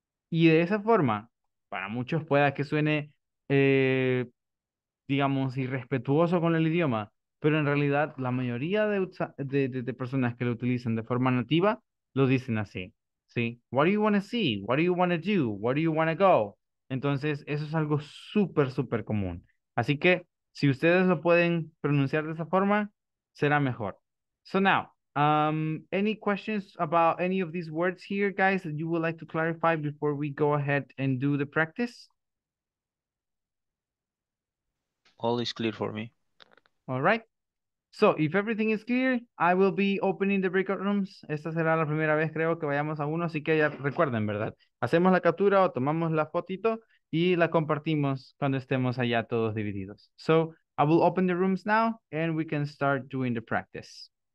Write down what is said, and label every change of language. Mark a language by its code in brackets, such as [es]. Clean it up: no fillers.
[es] Y de esa forma, para muchos pueda que suene, digamos, irrespetuoso con el idioma, pero en realidad la mayoría de personas que lo utilizan de forma nativa lo dicen así, ¿sí? [en] What do you want to see? What do you want to do? Where do you want to go? [es] Entonces, eso es algo súper, súper común. Así que, si ustedes lo pueden pronunciar de esa forma, será mejor. [en] So now, any questions about any of these words here, guys, that you would like to clarify before we go ahead and do the practice? All is clear for me. All right. So, if everything is clear, I will be opening the breakout rooms. [es] Esta será la primera vez, creo, que vayamos a uno. Así que ya recuerden, ¿verdad? Hacemos la captura o tomamos la fotito y la compartimos cuando estemos allá todos divididos. [en] So, I will open the rooms now and we can start doing the practice.